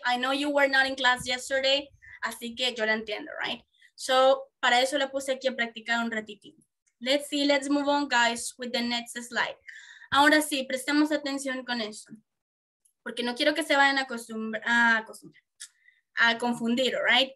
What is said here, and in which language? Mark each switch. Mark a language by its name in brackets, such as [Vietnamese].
[English] I know you were not in class yesterday, [Spanish] así que yo la entiendo, [English] right? [Spanish] So, para eso la puse aquí a practicar un ratitín. [English] Let's see, let's move on, guys, with the next slide. [Spanish] Ahora sí, prestemos atención con eso, porque no quiero que se vayan a confundir, right?